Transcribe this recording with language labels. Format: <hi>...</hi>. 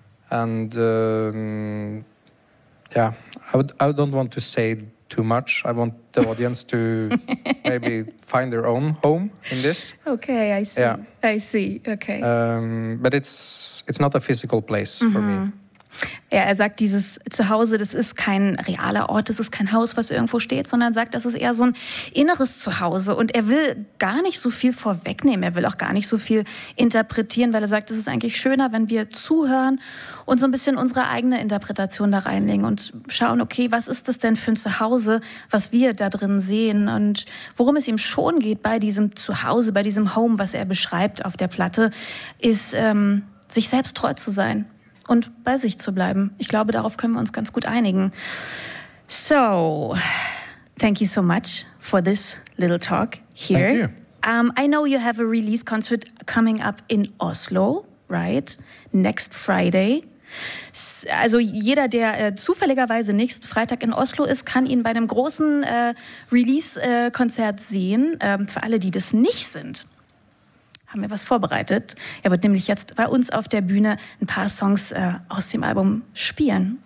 <en>And I don't want to say too much. I want the audience to maybe find their own home in this. Okay, I see. Yeah. I see. Okay. But it's not a physical place for me.</en> <de>Ja, er sagt, dieses Zuhause, das ist kein realer Ort, das ist kein Haus, was irgendwo steht, sondern sagt, das ist eher so ein inneres Zuhause. Und er will gar nicht so viel vorwegnehmen, er will auch gar nicht so viel interpretieren, weil er sagt, es ist eigentlich schöner, wenn wir zuhören und so ein bisschen unsere eigene Interpretation da reinlegen und schauen, okay, was ist das denn für ein Zuhause, was wir da drin sehen und worum es ihm schon geht bei diesem Zuhause, bei diesem Home, was er beschreibt auf der Platte, ist, sich selbst treu zu sein und bei sich zu bleiben. Ich glaube, darauf können wir uns ganz gut einigen.</de> <en>So, thank you so much for this little talk here. Thank you. I know you have a release concert coming up in Oslo, right? Next Friday.</en> <de>Also jeder, der zufälligerweise nächsten Freitag in Oslo ist, kann ihn bei einem großen Release-Konzert sehen. Für alle, die das nicht sind, haben wir was vorbereitet. Er wird nämlich jetzt bei uns auf der Bühne ein paar Songs aus dem Album spielen.</de>